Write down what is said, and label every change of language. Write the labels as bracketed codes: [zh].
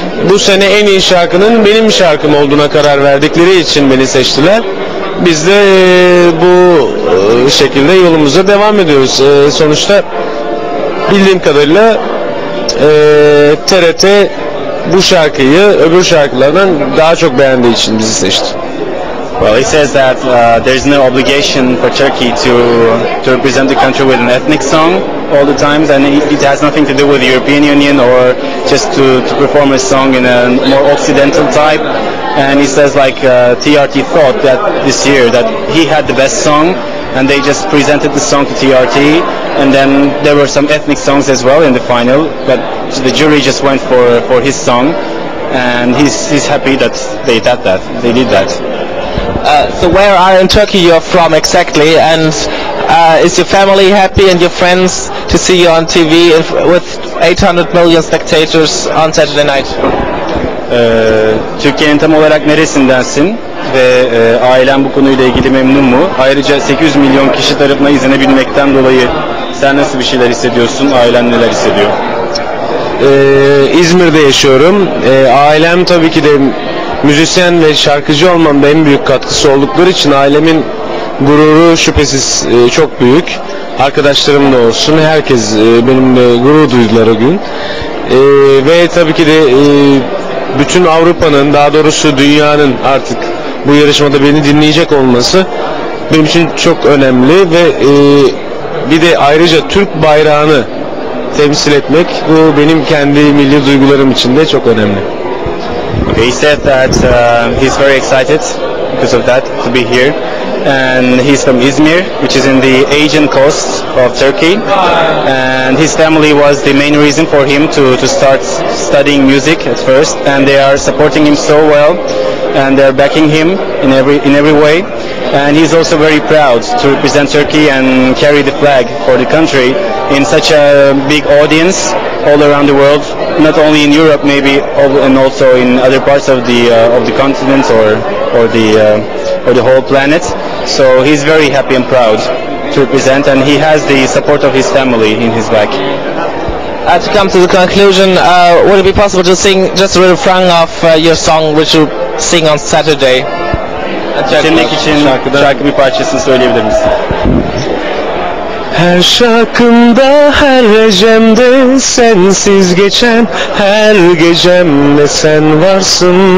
[tr] Bu sene en iyi şarkının benim şarkım olduğuna karar verdikleri için beni seçtiler. Biz de bu şekilde yolumuza devam ediyoruz. Sonuçta bildiğim kadarıyla TRT bu şarkıyı öbür şarkılardan daha çok beğendiği için bizi seçti. [en] Well, he says that there's no obligation for Turkey to represent the country with an ethnic song all the times, and it has nothing to do with the European Union or just to perform a song in a more occidental type. And he says like TRT thought that this year that he had the best song, and they just presented the song to TRT, and then there were some ethnic songs as well in the final, but the jury just went for his song, and he's happy that they did that. They did that. So where are in Turkey you're from exactly, and is your family happy and your friends to see you on TV with 800 million spectators on Saturday night? [tr] Türkiye'nin tam olarak neresindensin ve ailen bu konuyla ilgili memnun mu? Ayrıca 800 milyon kişi tarafına izlenebilmekten dolayı sen nasıl bir şeyler hissediyorsun, ailen neler hissediyor? İzmir'de yaşıyorum. Ailem tabii ki de müzisyen ve şarkıcı olmamın en büyük katkısı oldukları için ailemin gururu şüphesiz çok büyük. Arkadaşlarım da olsun, herkes benimle gurur duydular o gün. Ve tabii ki de bütün Avrupa'nın, daha doğrusu dünyanın artık bu yarışmada beni dinleyecek olması benim için çok önemli. Ve bir de ayrıca Türk bayrağını temsil etmek, bu benim kendi milli duygularım için de çok önemli. [en] Okay, he said that he's very excited because of that to be here, and he's from Izmir, which is in the Aegean coast of Turkey, and his family was the main reason for him to start studying music at first, and they are supporting him so well and they're backing him in every way, and he's also very proud to represent Turkey and carry the flag for the country in such a big audience all around the world, not only in Europe maybe, and also in other parts of the continent or the whole planet. So he's very happy and proud to represent, and he has the support of his family in his back. To come to the conclusion, would it be possible to sing just a little fragment of your song which you sing on Saturday? [tr] Senlik için şarkı bir parçasını söyleyebilir misin? Her şarkımda, her recemde sensiz geçen her gecemde sen varsın.